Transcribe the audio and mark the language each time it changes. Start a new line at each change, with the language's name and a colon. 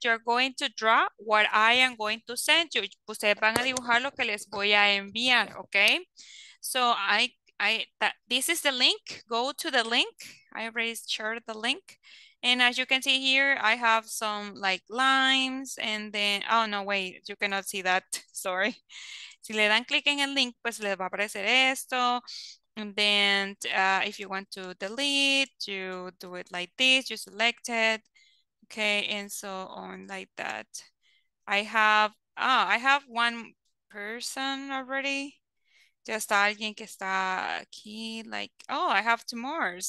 English: You're going to draw what I am going to send you.
Spanish: Ustedes van a dibujar lo que les voy a enviar,
English: okay? So, this is the link. Go to the link. I already shared the link. And as you can see here, I have some like lines and then, oh no, wait, you cannot see that, sorry.
Spanish: Si le dan click en el link, pues les va a aparecer esto.
English: And then if you want to delete, you do it like this, you select it. Okay, and so on like that. I have one person already. Just
Spanish: alguien que está aquí,
English: like, oh, I have two more.